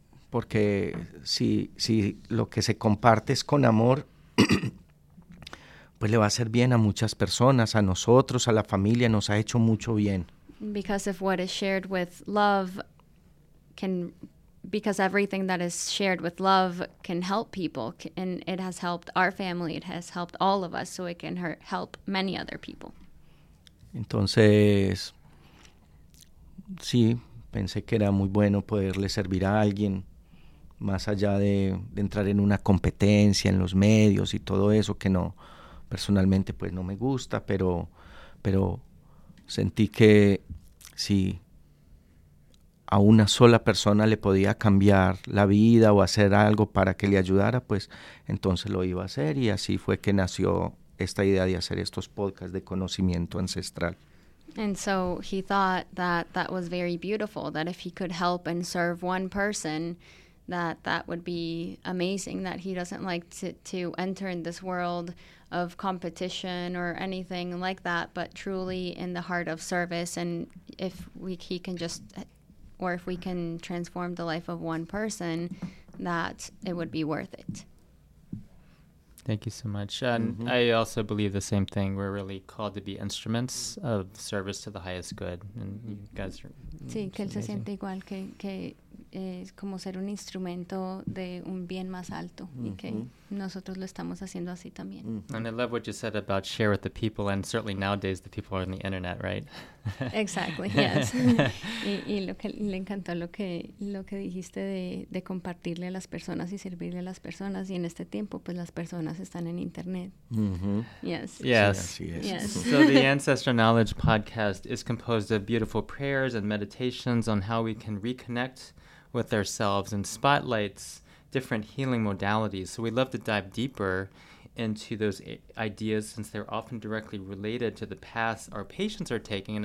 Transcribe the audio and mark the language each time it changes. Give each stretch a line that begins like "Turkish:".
Spanish: Porque si lo que se comparte es con amor, pues le va a hacer bien a muchas personas, a nosotros, a la familia, nos ha hecho mucho bien.
English: Because if what is shared with love can... Because everything that is shared with love can help people, and it has helped our family, it has helped all of us, so it can help many other people.
Spanish: Entonces, sí, pensé que era muy bueno poderle servir a alguien, más allá de entrar en una competencia, en los medios y todo eso, que no, personalmente, pues no me gusta, pero sentí que sí, a una sola persona le podía cambiar la vida o hacer algo para que le ayudara, pues entonces lo iba a hacer. Y así fue que nació esta idea de hacer estos podcasts de conocimiento ancestral.
English: And so he thought that was very beautiful, that if he could help and serve one person, that would be amazing, that he doesn't like to enter in this world of competition or anything like that, but truly in the heart of service. And if he can just... or if we can transform the life of one person, that it would be worth it. Thank you so much. And mm-hmm. I also believe the same thing. We're really called to be instruments of service to the highest good. And you guys are
Spanish: sí, que él se siente igual, que es como ser un instrumento de un bien más alto, mm-hmm. y que nosotros lo estamos haciendo así también. Mm-hmm.
English: And I love what you said about share with the people, and certainly nowadays the people are on the internet, right? Exactly, yes.
Spanish: y lo que le encantó lo que dijiste de compartirle a las personas y servirle a las personas, y en este tiempo pues las personas están en internet. Mm-hmm.
English: Yes. So the Ancestral Knowledge podcast is composed of beautiful prayers and meditations on how we can reconnect with ourselves, and spotlights different healing modalities. So we'd love to dive deeper into those ideas, since they're often directly related to the paths our patients are taking.